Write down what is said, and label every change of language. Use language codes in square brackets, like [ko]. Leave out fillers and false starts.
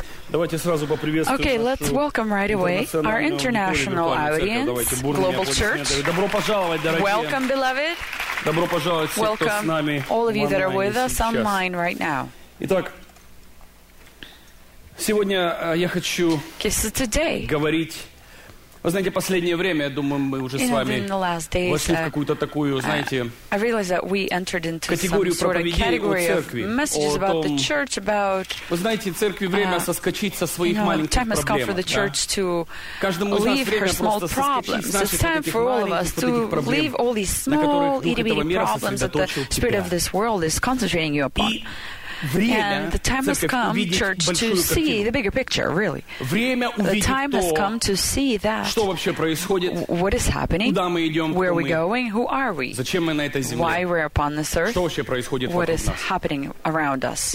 [ru] Давайте сразу поприветствуем. [en] Okay, let's welcome right away our international audience, Global Church. [ru] Добро пожаловать, дорогие. [en] Welcome, beloved. [ru] Добро пожаловать все, кто с нами. [en] All of you that are with us online right now. [ru] Итак, сегодня я хочу говорить. Вы знаете, последнее время, я думаю, мы уже с вами вошли в какую-то такую, знаете, категорию проповедей о церкви. О том, [en] church, about, [ru] вы знаете, церкви время соскочить со своих маленьких проблем. Да. Каждому из нас время просто [en] problems. [ru] Соскочить, значит, от этих маленьких, вот этих проблем, [en] small, [ru] на которых дух этого мира сосредоточил тебя. И [en] And the time has come, church, to see the bigger picture, really. The time has come to see that what is happening, where are we going, who are we, why we are upon this earth, what is happening around us.